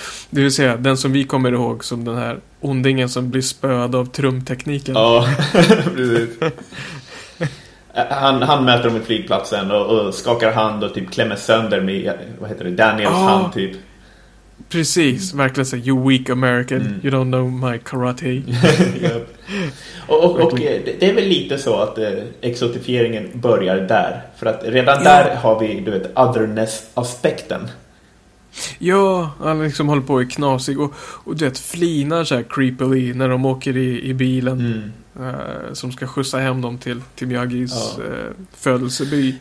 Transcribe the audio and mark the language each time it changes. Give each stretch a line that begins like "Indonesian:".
Swedish: Det vill säga, den som vi kommer ihåg som den här ondingen som blir spöad av trumtekniken. Ja, precis. Han möter dem i flygplatsen och skakar hand och typ klämmer sönder med, vad heter det, Daniels hand typ. Precis, verkligen så,
English: you weak American, you don't know my karate.
Swedish: och det är väl lite så att exotifieringen börjar där. För att redan där har vi, du vet, otherness-aspekten. Ja, han liksom håller på och är knasig och du vet, flinar så här creepily när de åker i bilen som ska skjutsa hem dem till Miyagis födelseby.